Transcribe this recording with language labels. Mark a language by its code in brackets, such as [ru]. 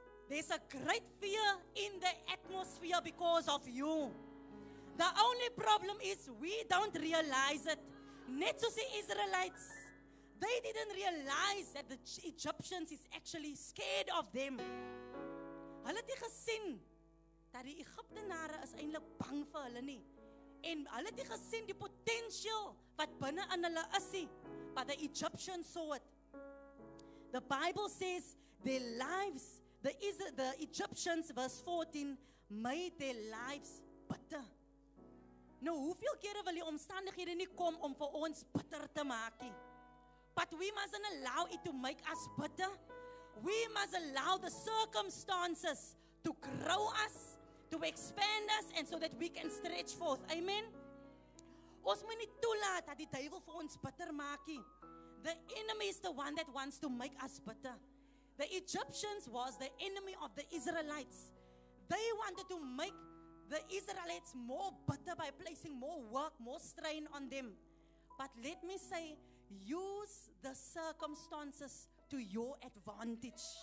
[en] There's a great fear in the atmosphere because of you. The only problem is we don't realize it. [af] Net soos die [en] Israelites, they didn't realize that the Egyptians is actually scared of them. [af] Hulle het nie gesien dat die Egiptenare is eintlik bang vir hulle nie. En hulle het nie gesien die potential wat binne in hulle is nie. [en] But the Egyptians saw it. The Bible says their lives, the Egyptians, verse 14, made their lives bitter. [af] Nou, hoeveel kere wil die omstandighede nie kom om vir ons bitter te maak nie? [en] But we mustn't allow it to make us bitter. We must allow the circumstances to grow us, to expand us, and so that we can stretch forth. Amen? [af] Ons moet nie toelaat dat die duivel vir ons bitter maak nie. [en] The enemy is the one that wants to make us bitter. The Egyptians was the enemy of the Israelites. they wanted to make the Israelites more bitter by placing more work, more strain on them. But let me say, use the circumstances to your advantage.